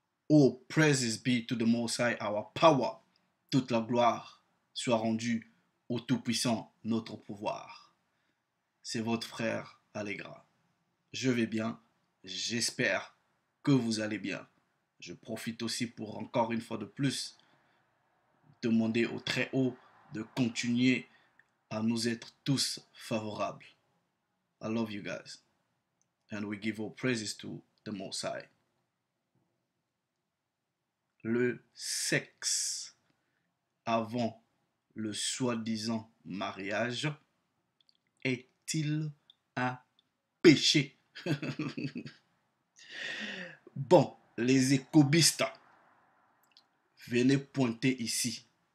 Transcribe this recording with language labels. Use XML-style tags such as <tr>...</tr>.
<en>Oh, praises be to the Most High, our power.</en> <fr>Toute la gloire soit rendue au Tout-Puissant, notre pouvoir. C'est votre frère Allegra. Je vais bien. J'espère que vous allez bien. Je profite aussi pour encore une fois de plus demander au Très-Haut de continuer à nous être tous favorables.</fr> <en>I love you guys. And we give our praises to the Most High.</en> <fr>Le sexe avant le soi-disant mariage est-il un péché? Bon, les écobistes, venez pointer ici.</fr>